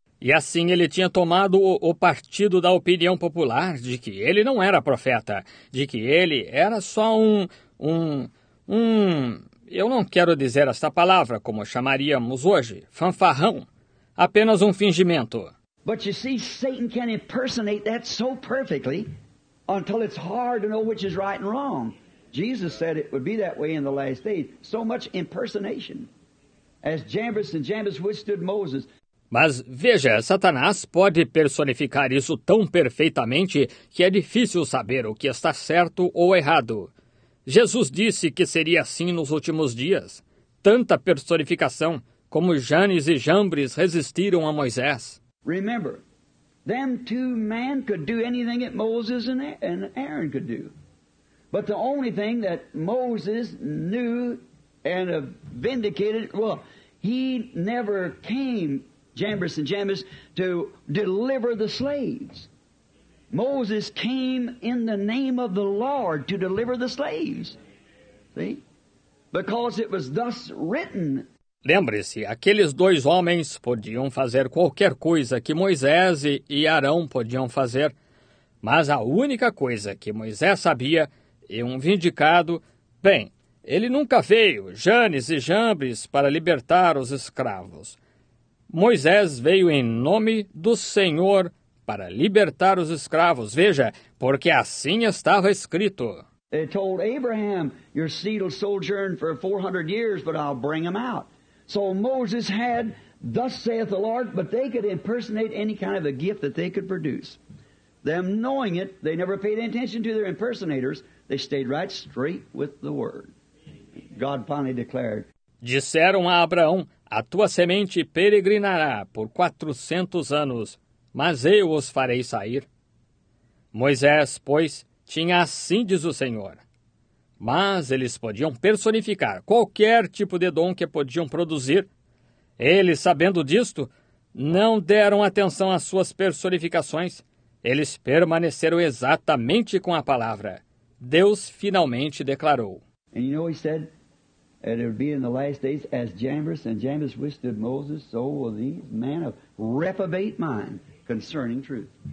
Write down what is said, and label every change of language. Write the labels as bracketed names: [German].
[Portuguese] E assim ele tinha tomado o partido da opinião popular de que ele não era profeta, de que ele era só um eu não quero dizer esta palavra como chamaríamos hoje, fanfarrão, apenas um fingimento. [English] But you see, Satan can impersonate that so perfectly until it's hard to know which is right and wrong. Jesus said it would be that way in the last days. So much impersonation. As Jambres and Jambres withstood Moses. [Portuguese] Mas veja, Satanás pode personificar isso tão perfeitamente que é difícil saber o que está certo ou errado. Jesus disse que seria assim nos últimos dias. Tanta personificação como Jannes e Jambres resistiram a Moisés. [English] Remember, them two men could do anything that Moses and Aaron could do. But the only thing that Moses knew and vindicated, well, he never came, Jambres and Jambres, to deliver the slaves. Moses came in the name of the Lord to deliver the slaves. See? Because it was thus written. [Portuguese] Lembre-se, aqueles dois homens podiam fazer qualquer coisa que Moisés e Arão podiam fazer, mas a única coisa que Moisés sabia e um vindicado, bem, ele nunca veio, Jannes e Jambres, para libertar os escravos. Moisés veio em nome do Senhor para libertar os escravos. Veja, porque assim estava escrito. [English] They told Abraham, your seed will sojourn for 400 years, but I'll bring him out. So Moses had, thus saith the Lord, but they could impersonate any kind of a gift that they could produce. Them knowing it, they never paid attention to their impersonators. They stayed right straight with the word. God finally declared. [Portuguese] Disseram a Abraão, a tua semente peregrinará por 400 anos, mas eu os farei sair. Moisés, pois, tinha assim, diz o Senhor. Mas eles podiam personificar qualquer tipo de dom que podiam produzir. Eles, sabendo disto, não deram atenção às suas personificações. Eles permaneceram exatamente com a palavra. Deus finalmente declarou. [English] And you know he said that it would be in the last days as Jambres and Jambres withstood Moses, so will these men of reprobate mind concerning truth.